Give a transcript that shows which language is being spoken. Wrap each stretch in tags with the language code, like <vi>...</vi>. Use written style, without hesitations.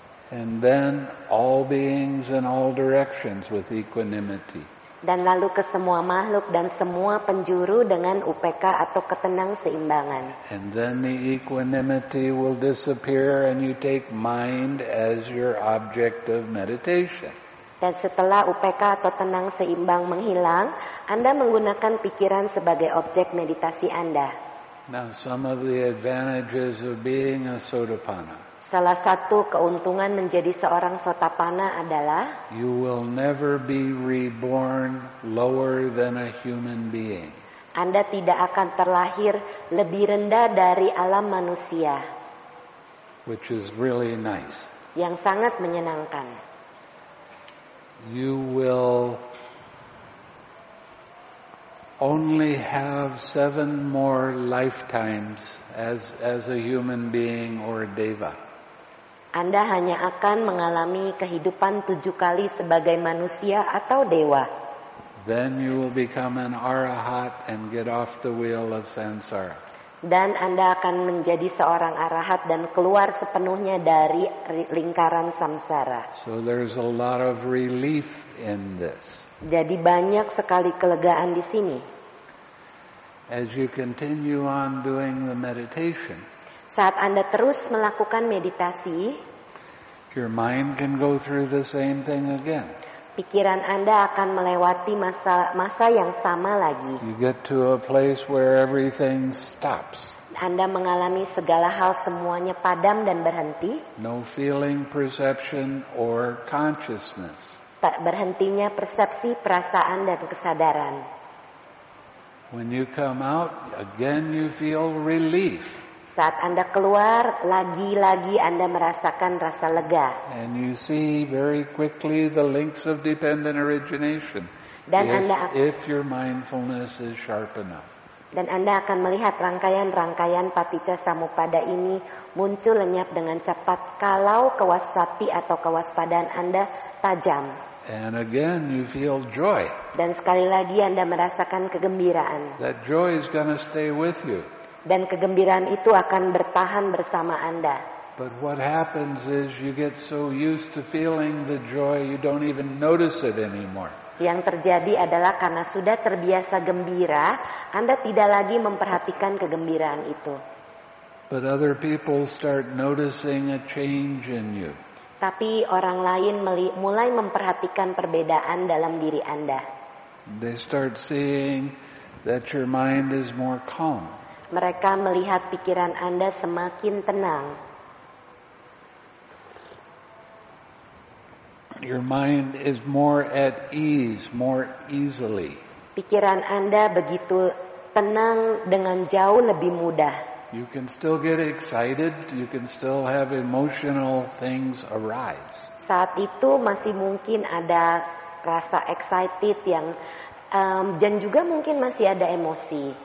<en>And then all beings in all directions with equanimity.</en> <id>Dan lalu ke semua makhluk dan semua penjuru dengan UPK atau ketenang seimbangan.</id> <en>And then the equanimity will disappear and you take mind as your object of meditation.</en> <id>Dan setelah UPK atau tenang seimbang menghilang, Anda menggunakan pikiran sebagai objek meditasi Anda.</id> <en>Now some of the advantages of being a sotapanna.</en> <id>Salah satu keuntungan menjadi seorang sotapanna adalah</id> <en>you will never be reborn lower than a human being.</en> <id>Anda tidak akan terlahir lebih rendah dari alam manusia.</id> <en>Which is really nice.</en> <id>Yang sangat menyenangkan.</id> <en>You will only have 7 more lifetimes as a human being or a deva.</en> <id>Anda hanya akan mengalami kehidupan 7 kali sebagai manusia atau dewa.</id> <en>Then you will become an arahat and get off the wheel of samsara.</en> <id>Dan Anda akan menjadi seorang arahat dan keluar sepenuhnya dari lingkaran samsara.</id> <en>So there's a lot of relief in this.</en> <id>Jadi banyak sekali kelegaan di sini.</id> <en>As you continue on doing the meditation,</en> <id>saat Anda terus melakukan meditasi,</id> <en>your mind can go through the same thing again.</en> <id>Pikiran Anda akan melewati masa-masa yang sama lagi.</id> <en>You get to a place where everything stops.</en> <id>Anda mengalami segala hal semuanya padam dan berhenti.</id> <en>No feeling, perception, or consciousness.</en> <id>Tak berhentinya persepsi, perasaan, dan kesadaran.</id> <en>When you come out, again you feel relief.</en> <id>Saat Anda keluar, lagi-lagi Anda merasakan rasa lega.</id> <en>And you see very quickly the links of dependent origination.</en> <id>Dan</id> <en>if your mindfulness is sharp enough.</en> <id>Dan Anda akan melihat rangkaian-rangkaian paticca samuppada ini muncul lenyap dengan cepat kalau kewasati atau kewaspadaan Anda tajam.</id> <en>And again you feel joy.</en> <id>Dan sekali lagi Anda merasakan kegembiraan.</id> <en>That joy is going to stay with you.</en> <id>Dan kegembiraan itu akan bertahan bersama Anda.</id> <en>But what happens is you get so used to feeling the joy you don't even notice it anymore.</en> <id>Yang terjadi adalah karena sudah terbiasa gembira, Anda tidak lagi memperhatikan kegembiraan itu.</id> <en>But other people start noticing a change in you.</en> <id>Tapi orang lain mulai memperhatikan perbedaan dalam diri Anda.</id> <en>They start seeing that your mind is more calm.</en> <id>Mereka melihat pikiran Anda semakin tenang.</id> <en>Your mind is more at ease, more easily.</en> <id>Pikiran Anda begitu tenang dengan jauh lebih mudah.</id> <en>You can still get excited, you can still have emotional things arise.</en> <id>Saat itu masih mungkin ada rasa excited yang dan juga mungkin masih ada emosi.</id>